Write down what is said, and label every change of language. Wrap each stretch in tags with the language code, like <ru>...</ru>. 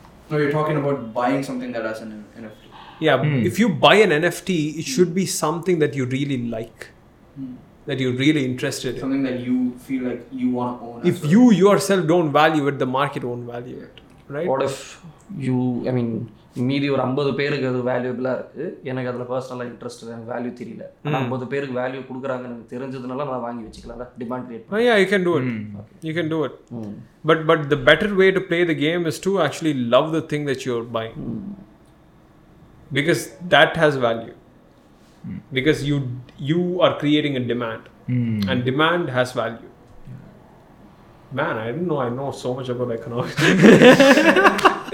<en>No, you're talking about buying something that has an NFT. Yeah, if you buy an NFT, it should be something that you really like, that you're really interested in. Something that you feel like you want to own. If you yourself don't value it, the market won't value it, right? What if you, I mean,</en> <ta>மீதி ஒரு 50 பேருக்கு அது வேல்யூபிளா இருக்கு, எனக்கு அதுல பர்சனலா interest இல்லை, எனக்கு வேல்யூ தெரியல, ஆனா 50 பேருக்கு வேல்யூ குடுக்குறாங்க எனக்கு தெரிஞ்சதுனால நான் வாங்கி வச்சுக்கலாம், டிமாண்ட் கிரியேட் பண்ணி.</ta> <en>Yeah, you can do it. You can do it. But the better way to play the game is to actually love the thing that you're buying. Because that has value. Because you are creating a demand. And demand has value. Man, I didn't know I know so much about economics.</en>